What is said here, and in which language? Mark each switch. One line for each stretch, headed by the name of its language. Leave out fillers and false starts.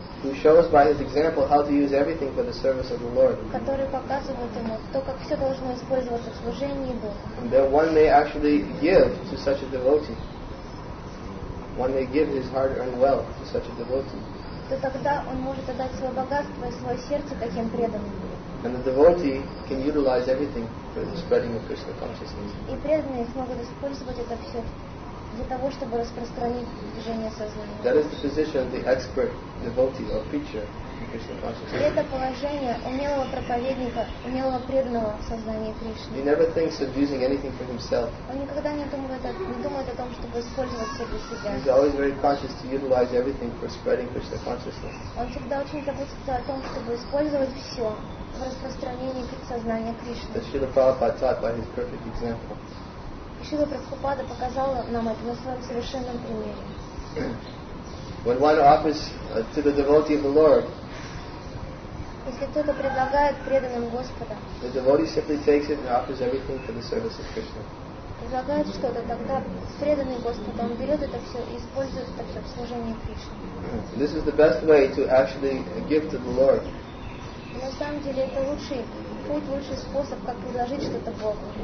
English: Who shows by his example how to use everything for the service of the Lord.
Russian: Которые показывают ему то, как все должно использоваться в служении Богу.
English: And then one may actually give to such a devotee. One may give his hard-earned wealth to such a devotee.
Russian: То тогда он может отдать свое богатство и свое сердце таким преданным.
English: And the devotee can utilize everything for the spreading of Krishna consciousness.
Russian: И преданные смогут использовать это все для того, чтобы распространить движение сознания.
English: That is the position of the expert devotee or preacher in Krishna consciousness.
Russian: Это положение умелого проповедника, умелого преданного в сознании Кришны.
English: He never thinks of using anything for himself.
Russian: Он никогда не думает о том, чтобы использовать все для себя.
English: He's always very conscious to utilize everything for spreading Krishna consciousness.
Russian: Он всегда очень заботится о том, чтобы использовать все в распространении сознания Кришны.
English: That Srila Prabhupada taught by his perfect example.
Russian: Шрила Прабхупада показал нам это на своем совершенном примере.
English: When one offers to the devotee of the Lord,
Russian: если кто-то предлагает преданным Господа,
English: the devotee simply takes it and offers everything for the service of Krishna.
Russian: Предлагает что-то, тогда преданный Господа, он берет это все и использует это все в служении Кришне.
English: This is the best way to actually give to the Lord.
Russian: На самом деле это лучший путь, лучший способ, как предложить что-то Богу.